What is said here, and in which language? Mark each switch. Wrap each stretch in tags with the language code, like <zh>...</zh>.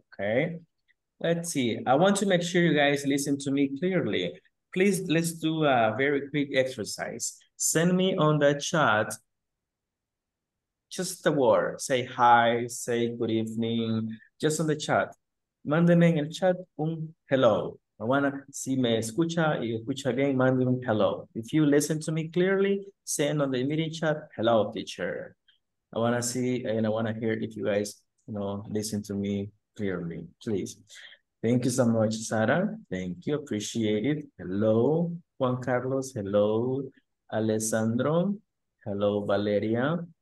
<en>Okay. Let's see. I want to make sure you guys listen to me clearly. Please, let's do a very quick exercise. Send me on the chat just a word. Say hi, say good evening, just on the chat.</en> <es>Mándeme en el chat un hello. I wanna, si me escucha y escucha bien, mande un hello.</es> <en>If you listen to me clearly, send on the meeting chat, hello, teacher. I wanna see and I wanna hear if you guys, listen to me clearly, please. Thank you so much, Sara. Thank you, appreciate it. Hello, Juan Carlos. Hello, Alessandro. Hello, Valeria.</en>